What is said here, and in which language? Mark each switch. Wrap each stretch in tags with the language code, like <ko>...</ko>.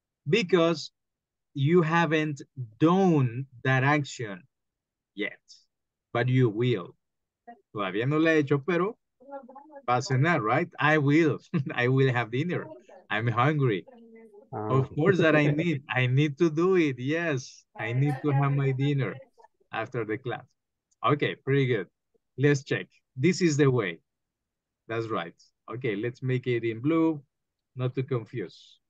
<en>Because you haven't done that action yet, but you will.</en> <es>Todavía no le he hecho, pero va a cenar, right?</es> <en>I will. I will have dinner. I'm hungry. Of course that I need to do it. Yes, I need to have my dinner after the class. Okay, pretty good. Let's check. This is the way. That's right. Okay, let's make it in blue, not to confuse.</en>